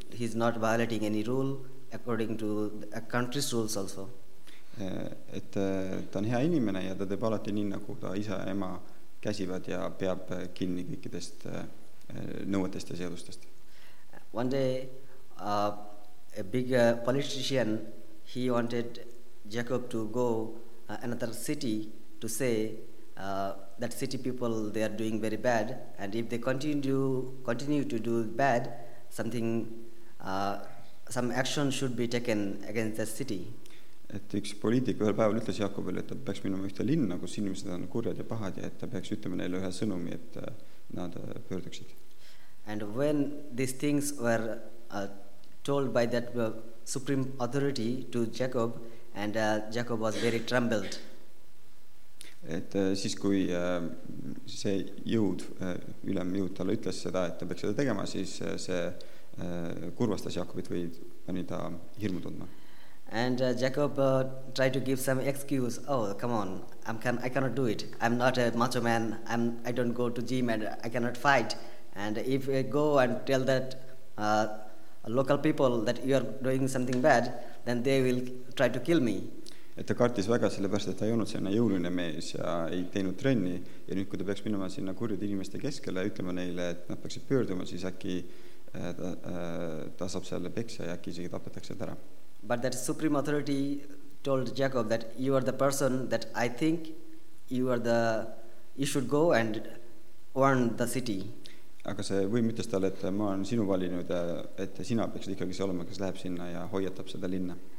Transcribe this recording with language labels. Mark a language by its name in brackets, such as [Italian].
[English] He is not violating any rule according to a country's rules also. [Estonian] Et ta on hea inimene ja ta teeb alati nii, nagu ta isa ja ema käsivad ja peab kinni kõikidest nõuetest ja seadustest. [English] One day a big politician, he wanted Jacob to go another city to say that city people, they are doing very bad, and if they continue to do bad, something some action should be taken against that city. [Estonian] Et üks poliitik ühel päeval ütles Jakobile, et ta peaks minema ühte linna, kus inimesed on kurjad ja pahad ja et ta peaks ütlema neile ühe sõnumi, et nad pöörduksid. [English] And when these things were told by that supreme authority to Jacob, and Jacob was very trembled. [Estonian] Et siis kui see jõud, ülem jõud talle ütles seda, et ta peaks seda tegema, siis see kurvastas Jakobit või pani ta hirmu tundma. [English] And Jacob tried to give some excuse. Oh, come on, I cannot do it. I'm not a macho man. I don't go to gym and I cannot fight. And if I go and tell that local people that you are doing something bad, then they will try to kill me. [Estonian] Et ta kartis väga selle pärast, et ta ei olnud sinna jõuline mees ja ei teinud trenni. Ja nüüd, kui ta peaks minema sinna kurjude inimeste keskele ja ütlema neile, et nad peaksid pöörduma, siis äkki ta saab selle peksa ja äkki isegi tapetakse ära. [English] But that supreme authority told Jacob that you are the person that I think you should go and warn the city. [Estonian] Aga see võim ütles tal, et ma olen sinu valinud, et sina peaksid ikkagi see olema, kes läheb sinna ja hoiatab seda linna.